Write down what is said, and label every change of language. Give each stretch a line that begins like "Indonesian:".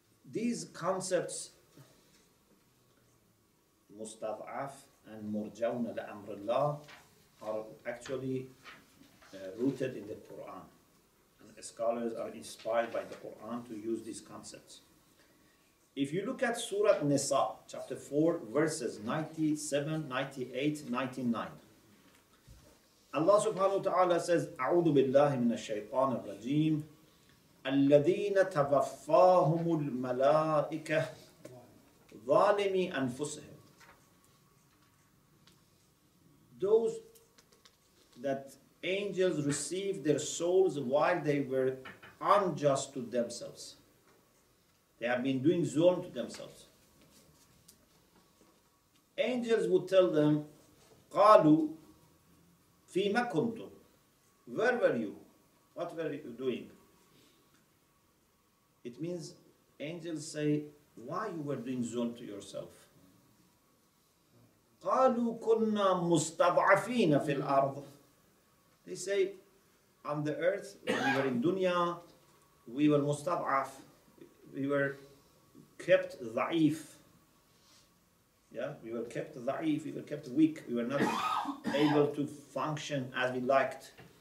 English: These concepts, mustaf'af and murja'un al-amrillah, are actually rooted in the Quran. And scholars are inspired by the Quran to use these concepts. If you look at Surah Nisa, chapter 4, verses 97, 98, 99, Allah subhanahu wa ta'ala says,
Arabic: أعوذ بالله من الشيطان الرجيم الذين توفاهم الملائكة ظالمي أنفسهم.
English: Those that angels received their souls while they were unjust to themselves. They have been doing zulm to themselves. angels would tell them,
Arabic: قالوا فيما كنتم.
English: Where were you? What were you doing? It means angels say, why you were doing zulm to yourself?
Arabic: قالوا كنا مستضعفين في الأرض.
English: They say, on the earth, when we were in dunya, we were mustad'af, we were kept za'if. Yeah, we were kept za'if, we were kept weak, we were not able to function as we liked.